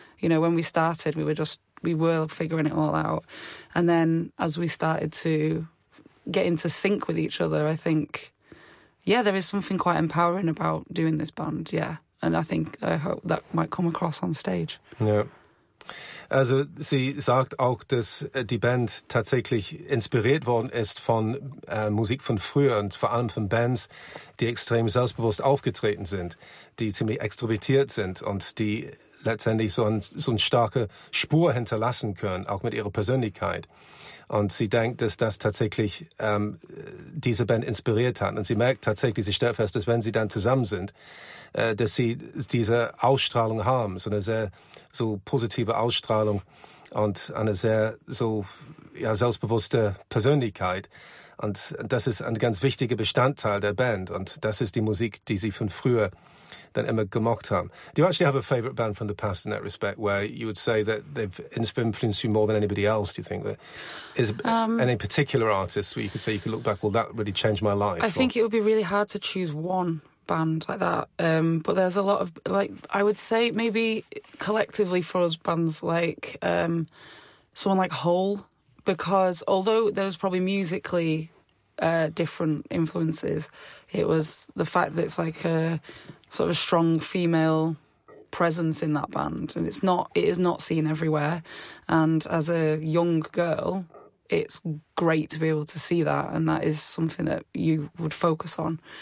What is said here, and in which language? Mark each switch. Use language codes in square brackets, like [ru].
[en] You know, when we started, we were figuring it all out. And then as we started to get into sync with each other, I think, yeah, there is something quite empowering about doing this band, yeah. And I think, I hope that might come across on stage. Yeah. [de] Also sie sagt auch, dass die Band tatsächlich inspiriert worden ist von Musik von früher und vor allem von Bands, die extrem selbstbewusst aufgetreten sind, die ziemlich extrovertiert sind und die letztendlich so eine starke Spur hinterlassen können, auch mit ihrer Persönlichkeit. Und sie denkt, dass das tatsächlich diese Band inspiriert hat. Und sie merkt tatsächlich, sie stellt fest, dass wenn sie dann zusammen sind, dass sie diese Ausstrahlung haben, so eine sehr so positive Ausstrahlung und eine sehr so ja selbstbewusste Persönlichkeit. Und das ist ein ganz wichtiger Bestandteil der Band. Und das ist die Musik, die sie von früher dann immer gemocht haben. [en] Do you actually have a favorite band from the past in that respect, where you would say that they've influenced you more than anybody else, do you think? Is any particular artist where you could say, you could look back, well, that really changed my life? I think it would be really hard to choose one band like that. But there's a lot of, like, I would say maybe collectively for us bands, like someone like Hole, because although there was probably musically different influences, it was the fact that it's like a sort of a strong female presence in that band, and it is not seen everywhere, and as a young girl it's great to be able to see that, and that is something that you would focus on.